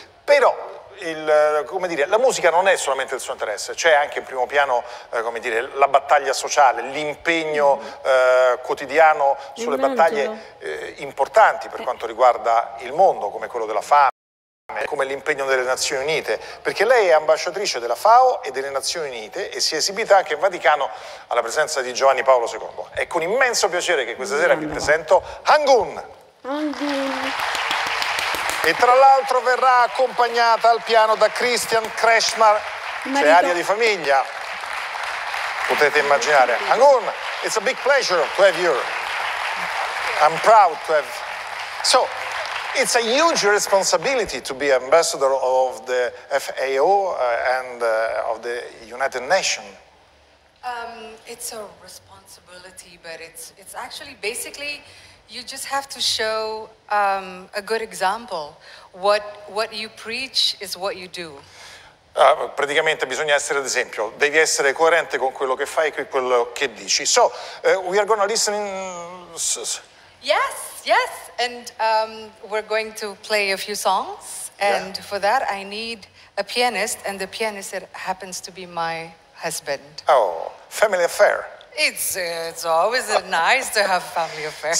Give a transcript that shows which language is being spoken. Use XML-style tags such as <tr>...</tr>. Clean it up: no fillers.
<it>Però la musica non è solamente il suo interesse, c'è anche in primo piano la battaglia sociale, l'impegno quotidiano sulle battaglie importanti per quanto riguarda il mondo, come quello della fame, come l'impegno delle Nazioni Unite, perché lei è ambasciatrice della FAO e delle Nazioni Unite e si è esibita anche in Vaticano alla presenza di Giovanni Paolo II. È con immenso piacere che questa sera vi presento Hangun. E tra l'altro verrà accompagnata al piano da Christian Kretschmer, c'è aria di famiglia, potete immaginare.</it> <en>Hangun, it's a big pleasure to have you. I'm proud to have. So, it's a huge responsibility to be ambassador of the FAO and of the United Nations. It's a responsibility, but it's actually basically you just have to show a good example. What you preach is what you do.</en> <it>Praticamente bisogna essere ad esempio. Devi essere coerente con quello che fai e con quello che dici.</it> <en>So, we are going to listen. Yes. And we're going to play a few songs. And yeah. For that, I need a pianist. And the pianist that happens to be my husband. Oh, family affair. It's always nice to have family affairs.</en>